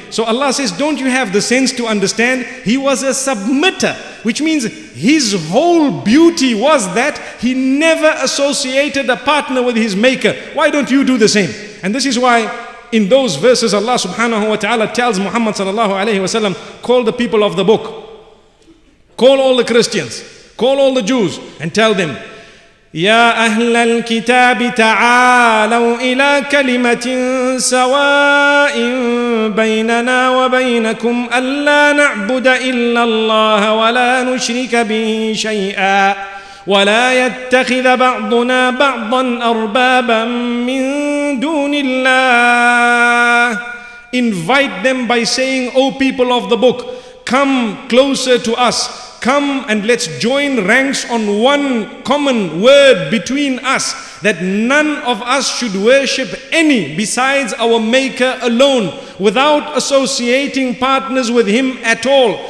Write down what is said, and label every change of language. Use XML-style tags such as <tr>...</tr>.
<en>So Allah says, don't you have the sense to understand? He was a submitter, which means his whole beauty was that he never associated a partner with his maker. Why don't you do the same? And this is why in those verses, Allah subhanahu wa ta'ala tells Muhammad sallallahu alayhi wa sallam, call the people of the book. Call all the Christians. Call all the Jews and tell them,</en> <ar>يا أهل الكتاب تعالوا إلى كلمة سواء بيننا وبينكم ألا نعبد إلا الله ولا نشرك به شيئا ولا يتخذ بعضنا بعضا أربابا من دون الله.</ar> <en>Invite them by saying, O people of the book, come closer to us. Come and let's join ranks on one common word between us, that none of us should worship any besides our maker alone, without associating partners with him at all.</en>